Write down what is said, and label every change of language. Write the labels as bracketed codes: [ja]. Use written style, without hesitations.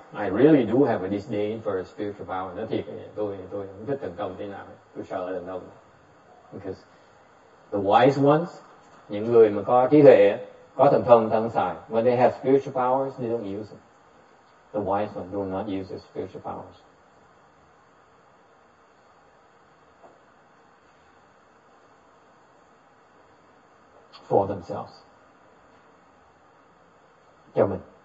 [en] I really do have a disdain for a spiritual power. [vi] Nó thiệt, tôi không thích thần thông thế nào, tôi sợ là thần thông. [en] Because the wise ones, [vi] những người mà có trí huệ, có thần thông thần tài, [en] when they have spiritual powers, they don't use them. The wise ones do not use their spiritual powers. For themselves. [vi] Cho mình.